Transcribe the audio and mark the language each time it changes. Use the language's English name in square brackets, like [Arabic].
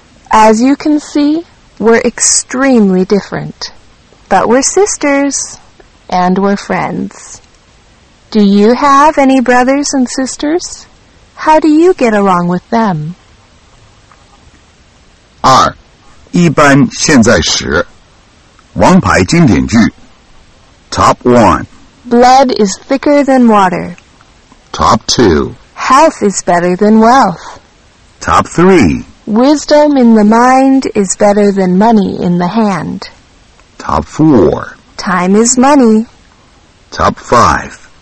[English] As you can see, we're extremely different. But we're sisters, and we're friends. Do you have any brothers and sisters? How do you get along with them? [Chinese] 二，一般现在时，王牌经典句 Top one. [English] Blood is thicker than water. Top two. Health is better than wealth. Top three. Wisdom in the mind is better than money in the hand. Top four. Time is money. Top five.